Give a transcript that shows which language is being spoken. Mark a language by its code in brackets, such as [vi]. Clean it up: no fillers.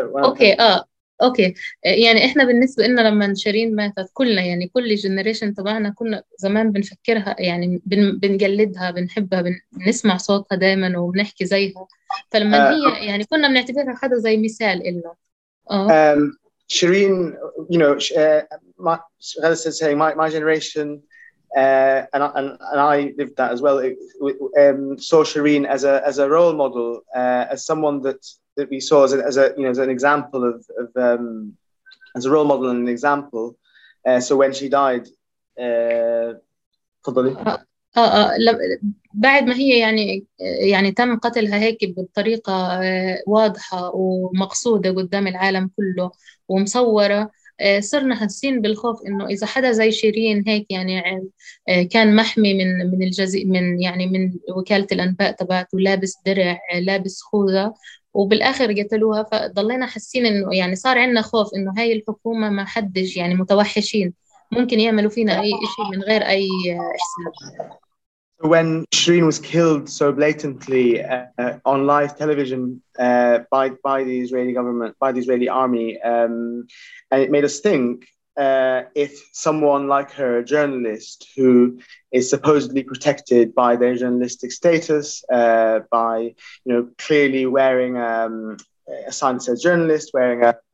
[ar] أوكي اوكي يعني احنا بالنسبه لنا لما شيرين ماتت كلنا يعني كل جنريشن تبعنا كنا زمان بنفكرها يعني بنقلدها بنحبها بنسمع صوتها دائما وبنحكي زيها فلما هي يعني كنا بنعتبرها حدا زي مثال لنا [en] شيرين you know Ghada says hey my generation and I lived that as well saw Shireen as a role model as someone that we saw as an example of as a role model and an example so when she died [ar] تفضلي بعد ما هي يعني تم قتلها هيك بالطريقة واضحة ومقصودة قدام العالم كله ومصورة صرنا حاسين بالخوف إنه إذا حدا زي شيرين هيك يعني كان محمي من من يعني من وكالة الأنباء تبعته لابس درع لابس خوذة وبالآخر قتلوها فضلينا حاسين إنه يعني صار عندنا خوف إنه هاي الحكومة ما حدش يعني متوحشين ممكن يعملوا فينا أي إشي من غير أي حساب. [en] When Shireen was killed so blatantly on live television by the Israeli government, by the Israeli army, and it made us think if someone like her, a journalist who is supposedly protected by their journalistic status, by you know clearly wearing a sign that says journalist, wearing a